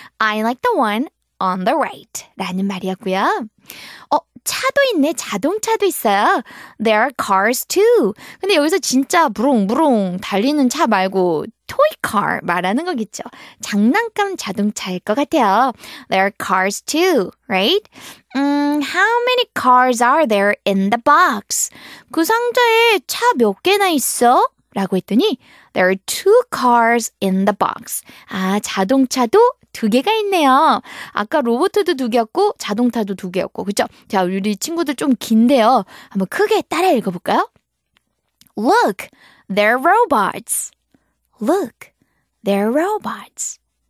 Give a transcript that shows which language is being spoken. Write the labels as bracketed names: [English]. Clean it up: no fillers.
[English] I like the one on the right [Korean] 라는 말이었고요. 차도 있네. 자동차도 있어요. [English] There are cars too. [Korean] 근데 여기서 진짜 부롱부롱 달리는 차 말고 toy car 말하는 거겠죠. 장난감 자동차일 것 같아요. [English] There are cars too, right? How many cars are there in the box? [Korean] 그 상자에 차 몇 개나 있어? 라고 했더니 [English] There are two cars in the box. [Korean] 아, 자동차도 두 개가 있네요. 아까 로봇도 두 개였고 자동차도 두 개였고 그렇죠? 자, 우리 친구들 좀 긴데요. 한번 크게 따라 읽어볼까요? [English] Look, they're robots. Look, they're robots.